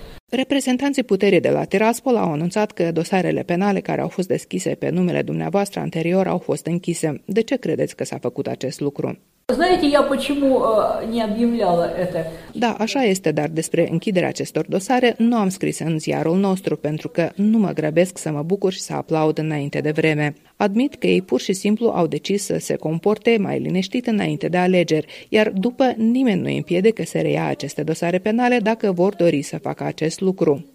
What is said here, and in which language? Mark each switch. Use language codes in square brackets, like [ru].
[ro] Reprezentanții puterii de la Tiraspol au anunțat că dosarele penale care au fost deschise pe numele dumneavoastră anterior au fost închise. De ce credeți că s-a făcut acest lucru? [ru] Знаете, я почему не объявляла это? [ro] Да, așa este, dar despre închiderea acestor dosare nu am scris în ziarul nostru, pentru că nu mă grăbesc să mă bucur și să aplaud înainte de vreme. Admit că ei pur și simplu au decis să se comporte mai liniștit înainte de alegeri, iar după nimeni nu îi împiede că se reia aceste dosare penale dacă vor dori să facă acest lucru.